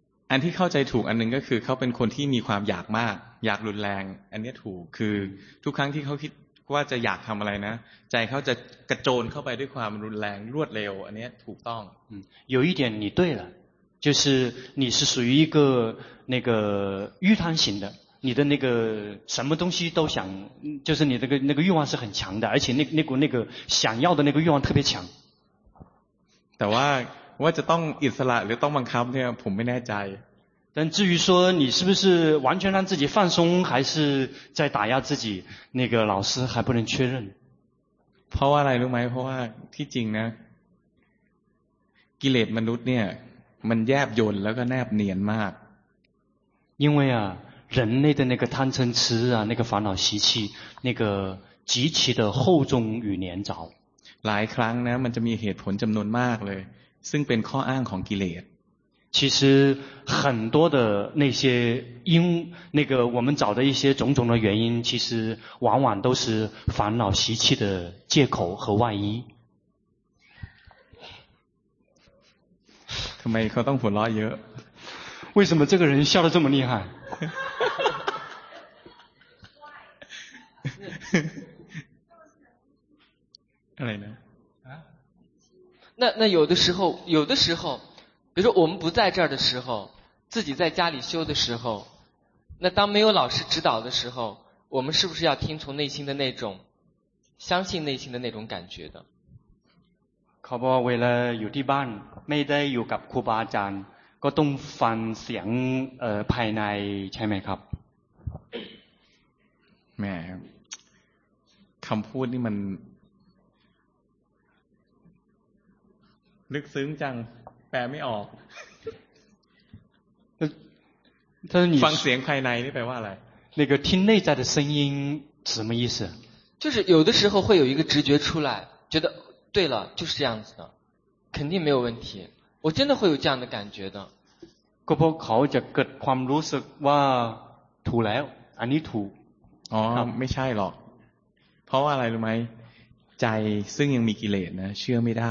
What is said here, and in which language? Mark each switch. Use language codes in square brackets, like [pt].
[th] อันที่เข้าใจถูกอันนึงก็คือเขาเป็นคนที่มีความอยากมากอยากรุนแรงอันนี้ถูกคือทุกครั้งที่เขาคิดว่าจะอยากทำอะไรนะใจเขาจะกระโจนเข้าไปด้วยความรุนแรงรวดเร็วอันนี้ถูกต้อง [zh] 有一点你对了就是你是属于一个那个欲贪型的你的那个什么东西都想，就是你的那个欲望是很强的，而且那股想要的那个欲望特别强。但我 [th] จะต้องอิสระหรือต้องบังคับเนี่ยผมไม่แน่ใจ。 [zh] 但至于说你是不是完全让自己放松，还是在打压自己，那个老师还不能确认。 [th] เพราะว่าอะไรรู้ไหมเพราะว่าที่จริงนะกิเลสมนุษย์เนี่ยมันแยบยลแล้วก็แนบเนียนมาก。 [zh] 因为啊。人类的那个贪嗔痴啊，那个烦恼习气，那个极其的厚重与粘着。 [th] หลายครั้งนะมันจะมีเหตุผลจำนวนมากเลยซึ่งเป็นข้ออ้างของกิเลส。 [zh] 其实很多的那些因那个我们找的一些种种的原因，其实往往都是烦恼习气的借口和外衣。 [th] ทำไมเขาต้องหัวเราะเยอะ？ [zh] 为什么这个人笑得这么厉害？哈哈哈哈哈！那有的时候，比如说我们不在这儿的时候，自己在家里修的时候，那当没有老师指导的时候，我们是不是要听从内心的那种相信内心的那种感觉的。 [th] เขาบอกเวลาอยู่ที่บ้านไม่ได้อยู่กับครูบาอาจารย์ก็ต้องฟังเสียงภายในใช่ไหมครับ แม่คำพูดนี่มันลึกซึ้งจังแปลไม่ออกฟังเสียงภายในนี่แปลว่าอะไร [zh] 那个听内在的声音什么意思就是有的时候会有一个直觉出来觉得对了就是这样子的肯定没有问题我真的会有这样的感觉的 [th] ก็เพราะเขาจะเกิดความรู้สึกว่าถูกแล้วอันนี้ถูก อ๋อไม่ใช่หรอกเพราะว่าอะไรรู้ไหมใจซึ่งยังมีกิเลสนะเชื่อไม่ได